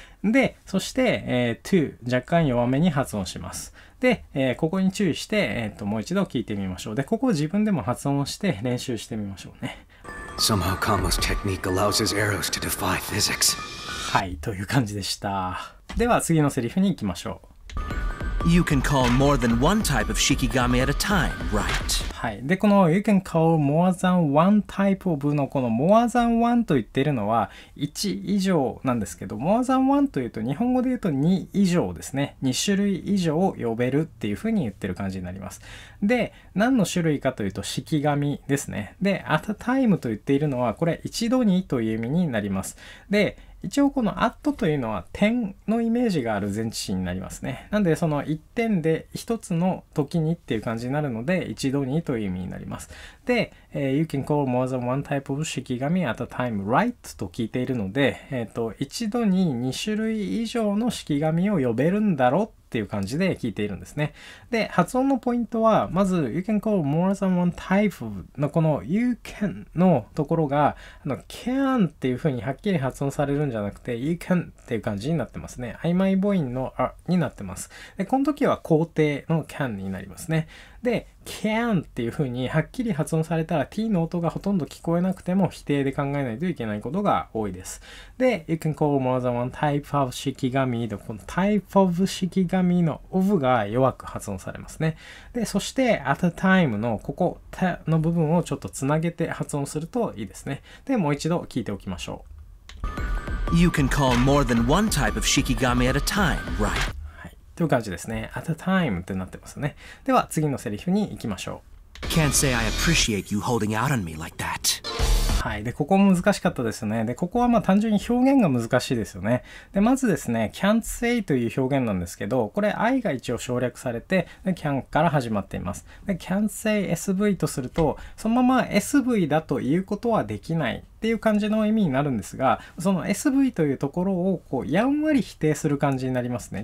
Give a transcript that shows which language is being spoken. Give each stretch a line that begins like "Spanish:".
Japanese: で、そして、to 若干弱めに発音します。で、ここに注意して、もう一度聞いてみましょう。で、ここを自分でも発音して練習してみましょうね。
English: Somehow Kamo's technique allows his arrows to defy physics.
Japanese: はい、という感じでした。では次のセリフに行きましょう。
English: You can call more than one type of shikigami at a time, right?
Japanese: はい。で、この
English: You can call more than one type of
Japanese: のこの
English: more than one
Japanese: と言ってるのは1以上なんですけど、 more than one というと日本語で言うと2以上ですね。 2種類以上を呼べるっていう風に言ってる感じになります。で、何の種類かというと shikigami ですね。で、
English: at a time
Japanese: と言っているのはこれ一度にという意味になります。で、一応この at というのは点のイメージがある前置詞になりますね。なんでその一点で一つの時にっていう感じになるので一度にという意味になります。
English: で、You can call more than one type of
Japanese: 式紙
English: at a time, right?
Japanese: と聞いているので、一度に2種類以上の式紙を呼べるんだろうっていう感じで聞いているんですね。で、発音のポイントはまず
English: You can call more than one type of
Japanese: のこの You can のところがあの can っていう風にはっきり発音されるんじゃなくて You can っていう感じになってますね。曖昧母音のあになってます。で、この時は肯定の can になりますね。で、can っていう風にはっきり発音されたら T の音がほとんど聞こえなくても否定で考えないといけないことが多いです。で、
English: You can call more than one type of
Japanese: 式紙のこの type of 式紙の of が弱く発音されますね。で、そして at a time のここ t の部分をちょっとつなげて発音するといいですね。で、もう一度聞いておきましょう。
English: You can call more than one type of
Japanese: 式紙
English: at a time, right?
Japanese: という感じですね。at a time ってなってますね。では次のセリフに行きましょう。
English: Can't say I appreciate you holding out on me like that.
Japanese: はい。で、ここ難しかったですね。で、ここはまあ単純に表現が難しいですよね。で、まずですね、 can't say という表現なんですけど、これ I が一応省略されて can から始まっています。で、 can't say SV とするとそのまま SV だということはできないっていう感じの意味になるんですが、その SV というところをこうやんわり否定する感じになりますね。